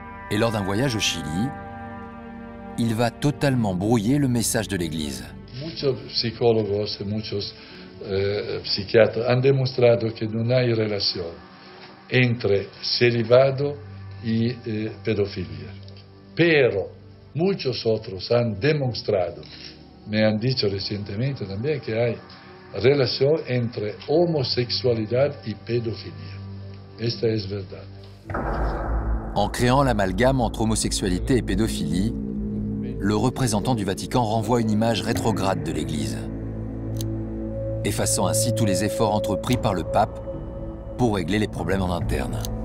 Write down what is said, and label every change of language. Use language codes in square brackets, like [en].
[fr] Et lors d'un voyage au Chili, il va totalement brouiller le message de l'Église. Beaucoup de psychologues et beaucoup de psychiatres ont démontré qu'il n'y a pas de relation entre [it] celibato e pedofilia. Però, molti altri hanno dimostrato, mi hanno detto recentemente anche, che hai relazione tra omosessualità e pedofilia. Questa è vera. [fr] En creando l'amalgame entre omosexualité et pédophilie, le représentant du Vatican renvoie une image rétrograde de l'Église, effaçant ainsi tous les efforts entrepris par le pape pour régler les problèmes en interne.